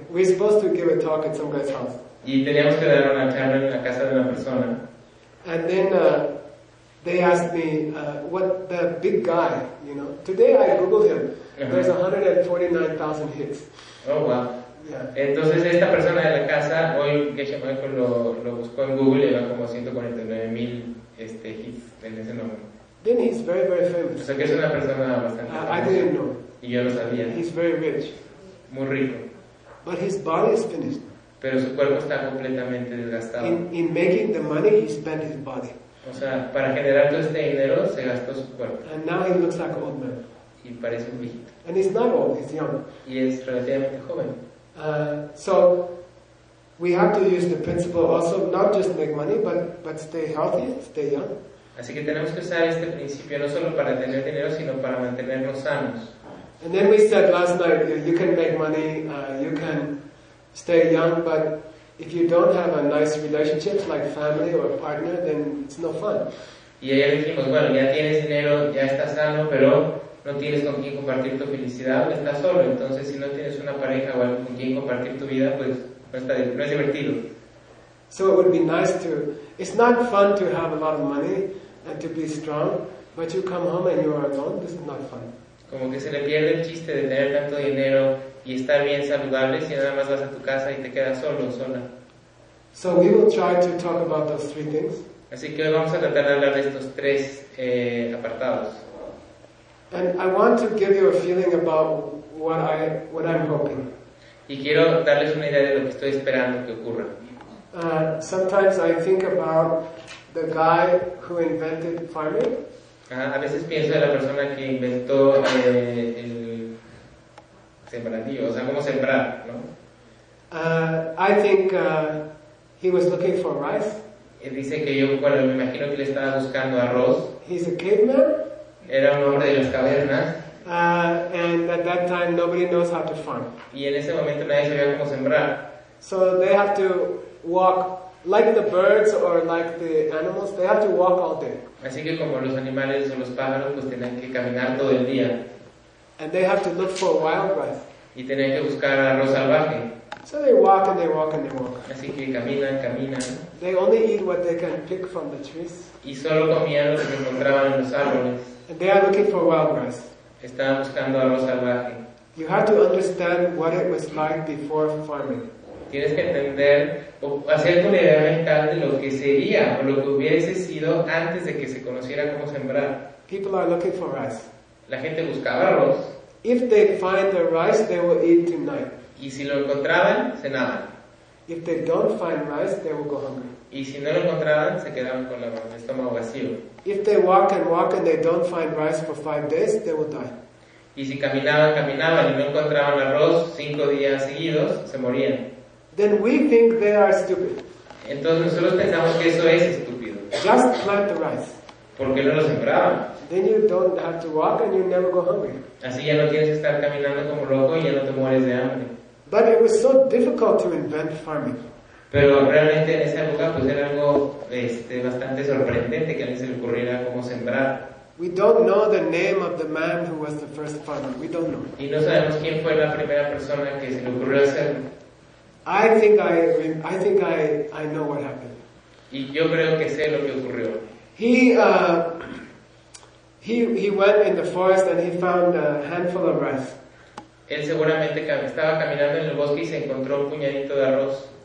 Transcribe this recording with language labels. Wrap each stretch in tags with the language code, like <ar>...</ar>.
<en>We're supposed to give a talk at some guy's house.</en> <es>Y teníamos que dar una charla en la casa de una persona.</es> <en>And then they asked me, what the big guy, you know. Today I googled him. Uh-huh. There's 149,000 hits. Oh, wow. Yeah.</en> <es>Entonces esta persona de la casa hoy que se llama Michael lo buscó en Google y va como 149,000 hits en ese nombre.</es> <en>Then he's very very famous.</en> <es>O sea que es una persona bastante famosa.</es> <en>I didn't know.</en> <es>Y yo lo sabía.</es> <en>He's very rich.</en> <es>Muy rico.</es> <en>But his body is finished.</en> <es>Pero su cuerpo está completamente desgastado.</es> <en>In making the money, he spent his body.</en> <es>O sea, para generar todo este dinero se gastó su cuerpo.</es> <en>And now he looks like an old man.</en> <es>Y parece un viejito.</es> <en>And he's not old. He's young.</en> <es>Y es relativamente joven.</es> <en>So we have to use the principle also not just make money but stay healthy, stay young.</en> <es>Así que tenemos que usar este principio no solo para tener dinero sino para mantenernos sanos.</es> <en>And then we said last night you can make money, you can stay young, but If you don't have a nice relationship like family or a partner, then it's no fun.</en> <es>Y ahí dijimos, bueno, ya tienes dinero, ya estás sano, pero no tienes con quién compartir tu felicidad, estás solo. Entonces, si no tienes una pareja o algo con quien compartir tu vida, pues no es divertido.</es> <en>So it would be nice to. It's not fun to have a lot of money and to be strong, but you come home and you are alone. This is not fun.</en> <es>Como que se le pierde el chiste de tener tanto dinero y estar bien saludable si nada más vas a tu casa y te quedas solo o sola.</es> <en>So we will try to talk about those three things.</en> <es>Así que hoy vamos a tratar de hablar de estos tres apartados.</es> <en>And I want to give you a feeling about what I'm hoping.</en> <es>Y quiero darles una idea de lo que estoy esperando que ocurra.</es> <en>Sometimes I think about the guy who invented farming.</en> <es>A veces pienso en la persona que inventó el sembradío, o sea, cómo sembrar, ¿no?</es> <en>I think he was looking for rice.</en> <es>Él dice que yo, bueno, me imagino que le estaba buscando arroz.</es> <en>He's a caveman.</en> <es>Era un hombre de las cavernas.</es> <en>And at that time nobody knows how to farm.</en> <es>Y en ese momento nadie sabía cómo sembrar.</es> <en>So they have to walk like the birds or like the animals. They have to walk all day.</en> <es>Así que como los animales o los pájaros, pues tienen que caminar todo el día.</es> <en>And they have to look for wild rice.</en> <es>Y tienen que buscar arroz salvaje.</es> <en>So they walk and they walk and they walk.</en> <es>Así que caminan.</es> <en>They only eat what they can pick from the trees.</en> <es>Y solo comían lo que encontraban en los árboles.</es> <en>And they are looking for wild rice.</en> <es>Estaban buscando arroz salvaje.</es> <en>You have to understand what it was like before farming.</en> <es>Tienes que entender o hacer una idea mental de lo que sería o lo que hubiese sido antes de que se conociera cómo sembrar.</es> <en>People are looking for rice.</en> <es>La gente buscaba arroz.</es> <en>If they find the rice, they will eat tonight.</en> <es>Y si lo encontraban, cenaban.</es> <en>If they don't find rice, they will go hungry.</en> <es>Y si no lo encontraban, se quedaban con el estómago vacío.</es> <en>If they walk and walk and they don't find rice for 5 days, they will die.</en> <es>Y si caminaban y no encontraban arroz 5 días seguidos, se morían.</es> <en>Then we think they are stupid.</en> <es>Entonces nosotros pensamos que eso es estúpido.</es> <en>Just plant the rice.</en> <es>Porque no lo sembraban.</es> <en>Then you don't have to walk and you never go hungry.</en> <es>Así ya no tienes que estar caminando como loco y ya no te mueres de hambre.</es> <en>But it was so difficult to invent farming.</en> <es>Pero realmente en esa época pues era algo bastante sorprendente que a alguien se le ocurriera cómo sembrar.</es> <en>We don't know the name of the man who was the first farmer. We don't know.</en> <es>Y no sabemos quién fue la primera persona que se le ocurrió hacer.</es> <en>I think I know what happened.</en> <es>Y yo creo que sé lo que ocurrió.</es> <en>He went in the forest and he found a handful of rice.</en> <es>Él seguramente estaba caminando en el bosque y se encontró un puñadito de arroz.</es>